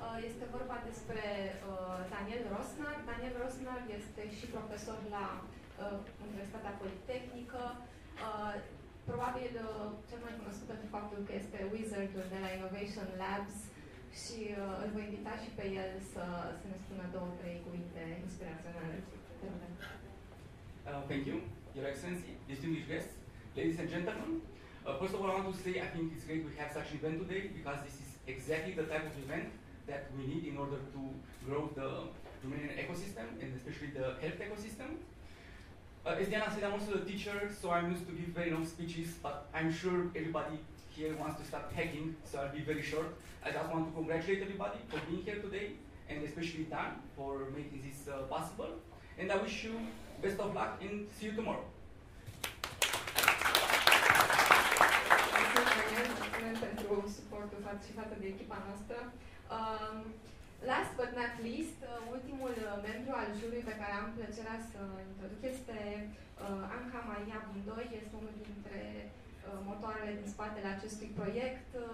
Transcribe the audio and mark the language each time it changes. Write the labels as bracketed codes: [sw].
[ro] Este vorba despre Daniel Rosner. Daniel Rosner este și profesor la Universitatea Politehnică. Probabil cel mai cunoscut pentru faptul că este wizardul de la Innovation Labs și îl voi invita și pe el să ne spună două, trei cuvinte inspiraționale. [en] Thank you, Your Excellency, distinguished guests, ladies and gentlemen. First of all, I want to say I think it's great we have such an event today because this is exactly the type of event that we need in order to grow the Romanian ecosystem and especially the health ecosystem. As Diana said, I'm also a teacher, so I'm used to give very long speeches, but I'm sure everybody here wants to start hacking, so I'll be very short. I just want to congratulate everybody for being here today, and especially Dan for making this possible. And I wish you best of luck and see you tomorrow. [ro] Mulțumesc pentru suportul și față de echipa noastră. [en] Last but not least, [ro] ultimul membru al jurului pe care am plăcerea să introduc este Anca Maria Bundoi, este unul dintre motoarele din spatele acestui proiect.